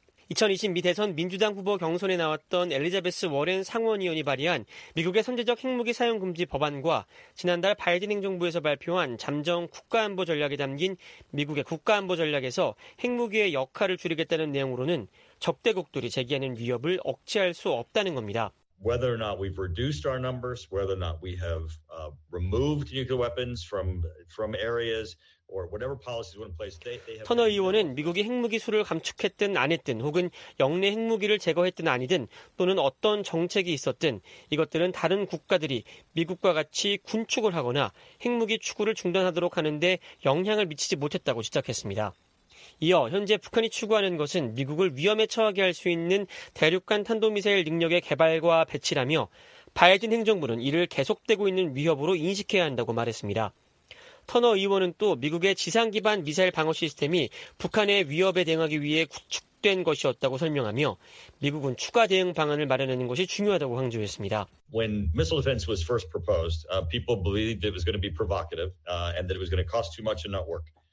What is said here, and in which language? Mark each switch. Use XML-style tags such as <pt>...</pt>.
<ko>2020 미 대선 민주당 후보 경선에 나왔던 엘리자베스 워렌 상원의원이 발의한 미국의 선제적 핵무기 사용 금지 법안과 지난달 바이든 행정부에서 발표한 잠정 국가안보 전략에 담긴 미국의 국가안보 전략에서 핵무기의 역할을 줄이겠다는 내용으로는 적대국들이 제기하는 위협을 억제할 수 없다는 겁니다.</ko> <en>Whether or not we've reduced our numbers, whether or not we have removed nuclear weapons from areas or whatever policies were in place, they have.</en> <ko>터너 의원은 미국이 핵무기 수를 감축했든 안 했든 혹은 영내 핵무기를 제거했든 아니든 또는 어떤 정책이 있었든 이것들은 다른 국가들이 미국과 같이 군축을 하거나 핵무기 추구를 중단하도록 하는데 영향을 미치지 못했다고 지적했습니다. 이어 현재 북한이 추구하는 것은 미국을 위험에 처하게 할 수 있는 대륙간 탄도미사일 능력의 개발과 배치라며 바이든 행정부는 이를 계속되고 있는 위협으로 인식해야 한다고 말했습니다. 터너 의원은 또 미국의 지상기반 미사일 방어 시스템이 북한의 위협에 대응하기 위해 구축된 것이었다고 설명하며 미국은 추가 대응 방안을 마련하는 것이 중요하다고 강조했습니다.</ko> <en>When missile defense was first proposed, people believed it was going to be provocative, and that it was going to cost too much and not work.</en>